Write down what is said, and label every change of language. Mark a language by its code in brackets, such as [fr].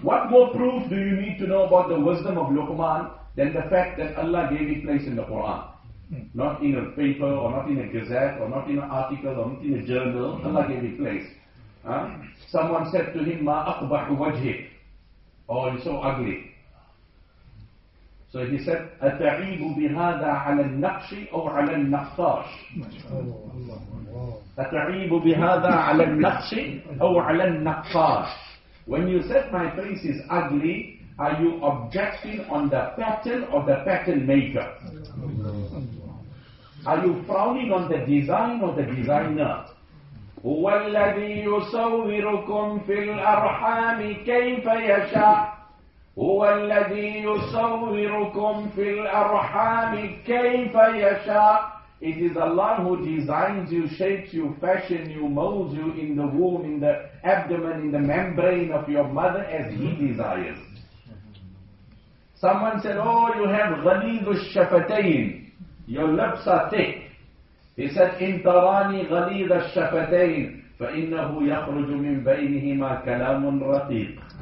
[en] What more proof do you need to know about the wisdom of Luqman than the fact that Allah gave it place in the Quran? Not in a paper, or not in a gazette, or not in an article, or not in a journal. Allah gave it place. Someone said to him, [ar] Ma aqbahu wajhik. [en] Oh, you're so ugly. So he said, [ar] أَتَعِيبُ بِهَذَا عَلَى النَّقْشِ أَوْ عَلَى النَّقْطَاشِ. أَتَعِيبُ بِهَذَا عَلَى النَّقْشِ أَوْ عَلَى النَّقْطَاشِ. [en] When you said my face is ugly, are you objecting on the pattern or the pattern maker? Are you frowning on the design or the designer? [ar] هُوَ الَّذِي يُصَوِّرُكُمْ فِي الْأَرْحَامِ كَيْفَ يَشَاءُ. هو الذي يصوركم في الأرحام كيف يشاء. [en] It is Allah who designs you, shapes you, fashion you, molds you in the womb, in the abdomen, in the membrane of your mother as He desires. Someone said, oh, you have [ar] غليظ الشفتين. [en] Your lips are thick. He said, [ar] إن تراني غليظ الشفتين فإنه يخرج من بينهما كلام رقيق.